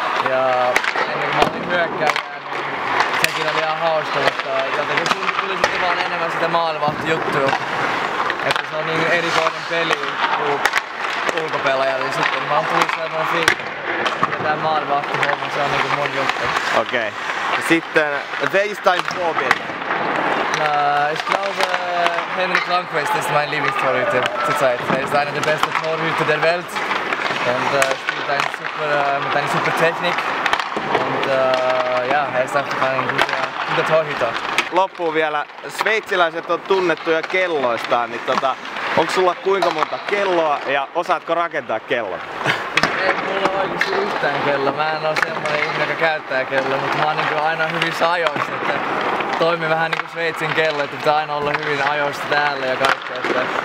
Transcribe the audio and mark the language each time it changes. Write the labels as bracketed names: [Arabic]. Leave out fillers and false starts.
[Finnish] Ja ennen kuin mä olin hyökkäjä, niin sekin oli ihan hauska, mutta jotenkin siinä tuli sitten vaan enemmän sitä maalivahti juttuja. Että se on niin erikoinen peli kuin ulkopelaaja, niin sitten mä oon tullut sellainen fiilis. Tää maalivahti homma, se on niinku mun juttu. Okei. Okay. Sitten Weinstein Bobin. [German] Ich glaube, Henrik Lundqvist ist mein Lieblingstorhüter zurzeit. Er ist einer der besten Torhüter der Welt und spielt mit einer super Technik. Und ja, er ist einfach ein guter Torhüter. [Finnish] Loppuun vielä. Sveitsiläiset on tunnettuja kelloistaan, niin onko sulla kuinka monta kelloa ja osaatko rakentaa kellon? Ei mulla ole oikeesti yhtään kello. Mä en oo semmonen ihminen, joka käyttää kello, mutta mä oon niinku aina hyvissä ajoissa. Että toimi vähän niinku Sveitsin kello, että pitää aina olla hyvin ajoissa täällä ja kaikkea. Että...